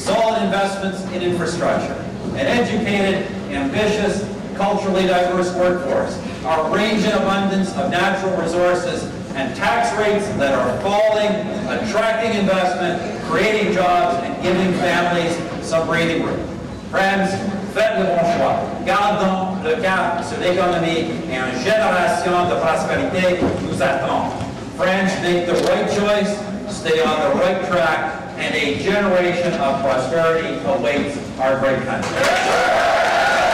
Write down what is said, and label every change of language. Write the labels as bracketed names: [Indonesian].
[English] Solid investments in infrastructure. An educated, ambitious, culturally diverse workforce. A range and abundance of natural resources and tax rates that are falling, attracting investment, creating jobs, and giving families some breathing room. [French] Friends, faites le bon choix. Gardons le cap sur l'économie et une génération de prospérité nous attend. [English] Friends, make the right choice, stay on the right track, and a generation of prosperity awaits our great country.